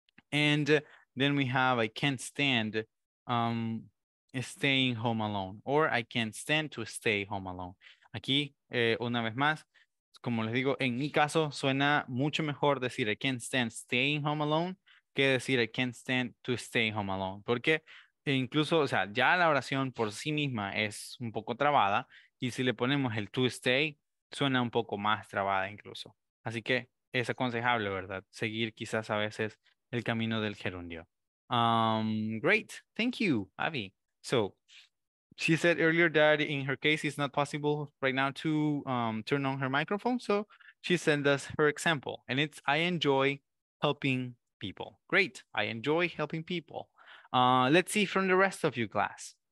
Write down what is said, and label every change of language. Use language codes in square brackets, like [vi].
[en] And then we have, I can't stand staying home alone. Or, I can't stand to stay home alone. [es] Aquí, una vez más, como les digo, en mi caso suena mucho mejor decir, [en] I can't stand staying home alone, [es] que decir, [en] I can't stand to stay home alone. [es] Porque... incluso, o sea, ya la oración por sí misma es un poco trabada, y si le ponemos el to stay, suena un poco más trabada incluso. Así que es aconsejable, ¿verdad? Seguir quizás a veces el camino del gerundio. [en] Great, thank you, Abby. So, she said earlier that in her case it's not possible right now to turn on her microphone, so she sent us her example, and it's I enjoy helping people. Great, I enjoy helping people. Let's see from the rest of your class.